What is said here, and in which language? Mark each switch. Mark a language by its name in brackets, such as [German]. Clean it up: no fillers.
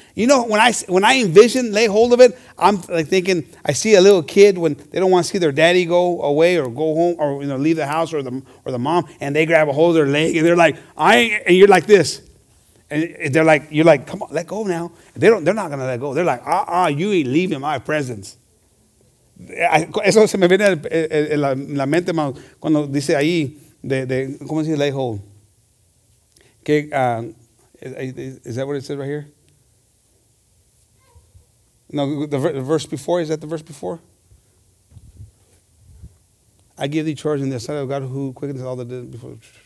[English] You know, when I envision lay hold of it, I'm like thinking. I see a little kid when they don't want to see their daddy go away or go home or you know leave the house or the mom, and they grab a hold of their leg and they're like, and you're like this, and they're like, you're like, come on, let go now. They're not gonna let go. They're like, you ain't leaving my presence. [Spanish] Eso se me viene en la mente cuando dice ahí. De ¿cómo se dice [English] lay hold? Que, is that what it says right here? No, the verse before, is that the verse before? I give thee charge in the sight of God who quickens all the dead before.